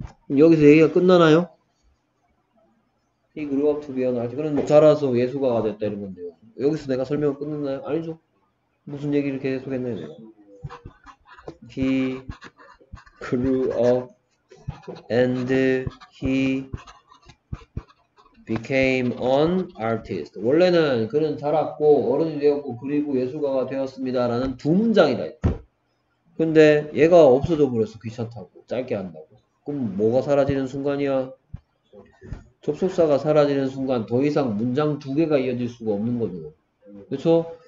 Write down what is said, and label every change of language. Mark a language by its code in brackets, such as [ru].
[ko] 여기서 얘기가 끝나나요? [en] He grew up to be an artist. [ko] 그럼 자라서 예술가가 됐다 이런 건데요. 여기서 내가 설명을 끝냈나요? 아니죠. 무슨 얘기를 계속 했나요? [en] He grew up and he became an artist. [ko] 원래는 그는 자랐고 어른이 되었고 그리고 예술가가 되었습니다 라는 두 문장이다 했죠. 근데 얘가 없어져 버렸어. 귀찮다고 짧게 한다고. 그럼 뭐가 사라지는 순간이야? 접속사가 사라지는 순간 더 이상 문장 두 개가 이어질 수가 없는 거죠. 그렇죠?